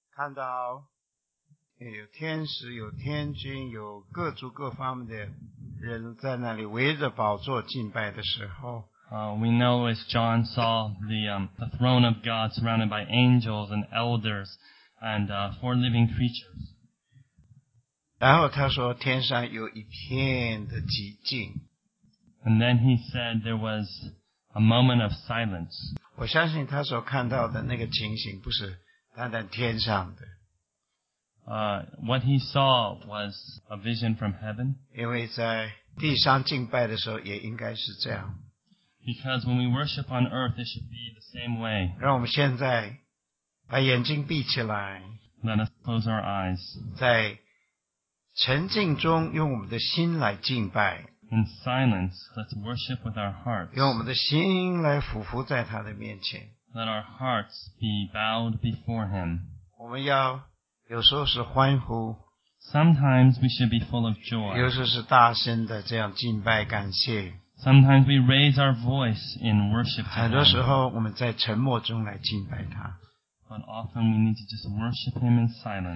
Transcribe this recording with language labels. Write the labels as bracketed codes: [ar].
[zh] 看到有天使，有天君，有各族各方面的人在那里围着宝座敬拜的时候。 [en] We know as John saw the throne of God surrounded by angels and elders and four living creatures. [zh] 然后他说天上有一片的寂静。 [en] And then he said there was a moment of silence. [zh] 我相信他所看到的那个情形不是单单天上的。 [en] What he saw was a vision from heaven. [zh] 因为在地上敬拜的时候也应该是这样。 [en] Because when we worship on earth, it should be the same way. [zh] 让我们现在把眼睛闭起来。 [en] Let us close our eyes. [zh] 在沉静中用我们的心来敬拜。 [en] In silence, let's worship with our hearts. [zh] 用我们的心来俯伏在他的面前。 [en] Let our hearts be bowed before him. [zh] 我们要有时候是欢呼。 [en] Sometimes we should be full of joy. [zh] 有时候是大声的这样敬拜感谢。 [en] Sometimes we raise our voice in worship to him. [zh] 很多时候我们在沉默中来敬拜他。 [en] But often we need to just worship him in silence.